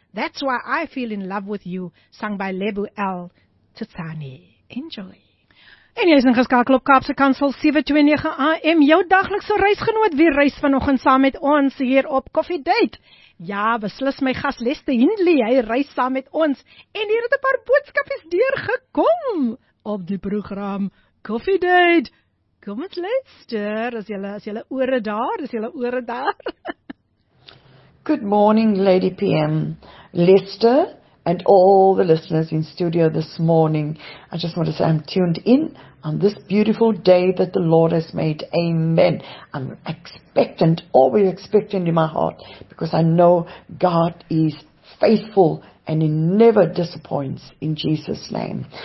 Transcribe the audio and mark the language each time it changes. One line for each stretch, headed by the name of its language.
English: That's why I feel in love with you, sung by Lebo L. Tsitsani. Enjoy.
Afrikaans: En jy is nog geskakel op Kaapse Kansel 729 AM, jou daglikse reisgenoot. Wie reis vanoggend saam met ons hier op Coffee Date? Ja, beslis my gas Lester Hindley, hy reis saam met ons. En hier het 'n paar boodskapies deurgekom op die program Coffee Date. Kom ons luister, as jy ore daar.
English: Good morning, Lady PM. Lester and all the listeners in studio this morning. I just want to say I'm tuned in on this beautiful day that the Lord has made. Amen. I'm expectant, always expectant in my heart, because I know God is faithful and He never disappoints, in Jesus' name.